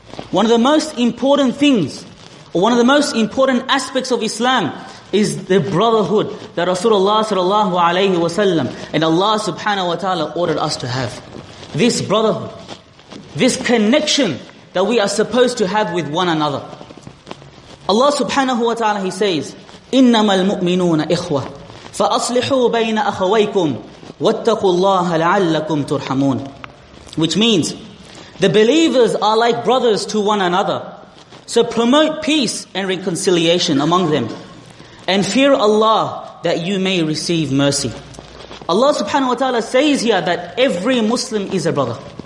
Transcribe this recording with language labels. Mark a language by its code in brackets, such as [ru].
[en] One of the most important things, or one of the most important aspects of Islam, is the brotherhood that Rasulullah sallallahu alayhi wa sallam and Allah subhanahu wa ta'ala ordered us to have. This brotherhood, this connection that we are supposed to have with one another. [ar] Allah subhanahu wa ta'ala, [en] He says, [ar] إِنَّمَا الْمُؤْمِنُونَ إِخْوَةً فَأَصْلِحُوا بَيْنَ أَخَوَيْكُمْ وَاتَّقُوا اللَّهَ لَعَلَّكُمْ تُرْحَمُونَ. [en] Which means, the believers are like brothers to one another. So promote peace and reconciliation among them. And fear Allah that you may receive mercy. Allah subhanahu wa ta'ala says here that every Muslim is a brother.